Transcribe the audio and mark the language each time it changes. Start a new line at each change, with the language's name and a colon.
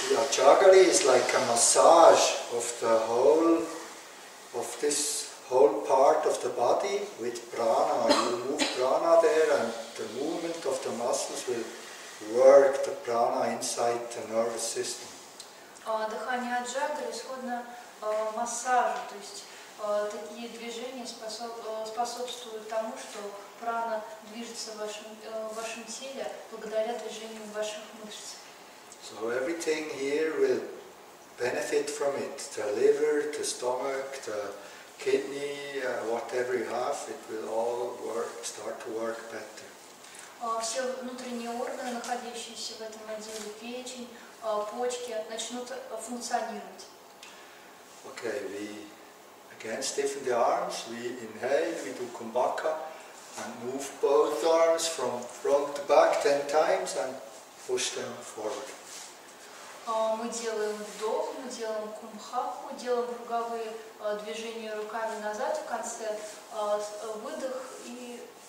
English: Chagari is like a massage of the whole, of this whole part of the body with prana. You move prana there and the movement of the muscles will work the prana inside the nervous system.
Russian: Дыхание Аджагари сходно массажу, то есть такие движения способствуют тому, что прана движется в вашем теле благодаря движению ваших мышц.
English: So everything here will benefit from it. The liver, the stomach, the kidney, whatever you have, it will all work, start to work better.
Russian: все внутренние органы, находящиеся в этом отделе, печень, почки, начнут функционировать.
English: Okay, we again stiffen the arms, we inhale, we do kumbhaka, and move both arms from front to back 10 times and push them forward.
Russian: Мы делаем вдох, мы делаем кумбхаку, делаем круговые движения руками назад, в конце выдох и